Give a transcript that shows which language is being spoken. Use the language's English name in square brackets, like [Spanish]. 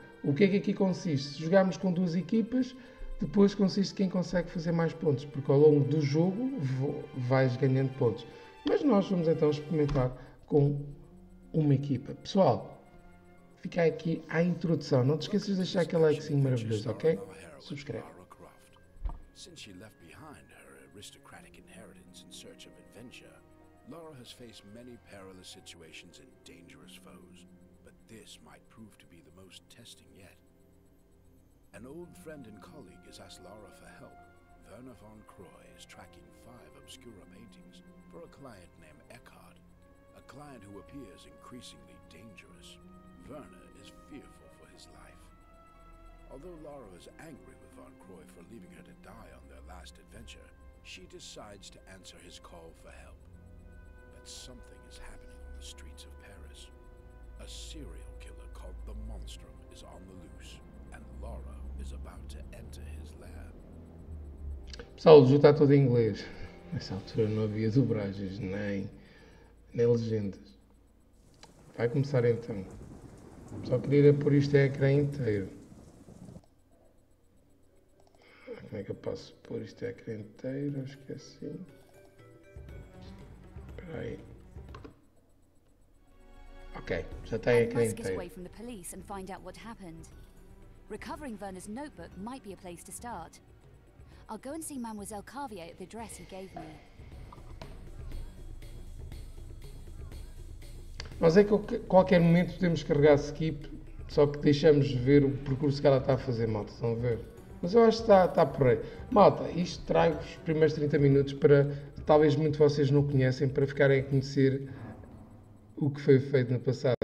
[Portuguese] O que é que aqui consiste? Se jogarmos com duas equipas, depois consiste quem consegue fazer mais pontos, porque ao longo do jogo vais ganhando pontos. Mas nós vamos então experimentar com uma equipa. Pessoal, fica aqui à introdução. Não te esqueças de deixar aquele likezinho maravilhoso, ok? Subscreve. [English] Since she left behind her aristocratic inheritance in search of adventure, Laura has faced many perilous situations and dangerous foes, but this might prove to be the most testing yet. An old friend and colleague has asked Laura for help. Werner von Croy is tracking five obscure paintings for a client named Eckhart, a client who appears increasingly dangerous. Werner is fearful for his life. Although Laura is angry with von Croy for leaving her to die on their last adventure, she decides to answer his call for help. But something is happening on the streets of Paris. A serial killer called the Monstrum is on the loose, and Laura is about to enter his lair. [Portuguese] Pessoal, o jogo está todo em inglês. Nessa altura não havia dublagens, nem legendas. Vai começar então. Só queria pôr isto em ecrã inteiro. Como é que eu posso pôr isto em ecrã inteiro? Acho que é assim. Espera aí. Ok, já está em [English] I [Portuguese] ecrã [English] must get [Portuguese] inteiro. [English] away from the police and find out what happened. Recovering Werner's notebook might be a place to start. I'll go and see Mademoiselle Carvier at the address he gave me. [Portuguese] Mas é que a qualquer momento podemos carregar skip, só que deixamos ver o percurso que ela está a fazer, malta. Estão a ver? Mas eu acho que está por aí. Malta, isto trago-vos os primeiros 30 minutos para, talvez muito vocês não conhecem, para ficarem a conhecer o que foi feito no passado.